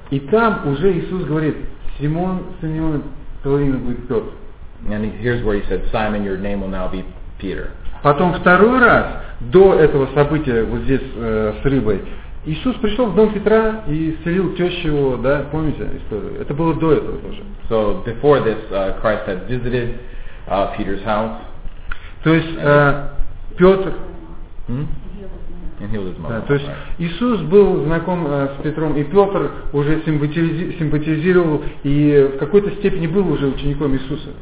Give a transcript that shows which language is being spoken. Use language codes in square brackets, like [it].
[ru] И там уже Иисус говорит: Симон, сын Иона, половина будет Петр. [en] And here's where he said, Simon, your name will now be Peter. [ru] Потом второй раз, до этого события, вот здесь с рыбой, Иисус пришел в дом Петра и исцелил тещу его, да, помните историю? Это было до этого тоже. [en] So before this, Christ had visited Peter's house. [ru] То есть Петр... Да, то есть Иисус был знаком с Петром, и Петр уже симпатизировал и в какой-то степени был уже учеником Иисуса.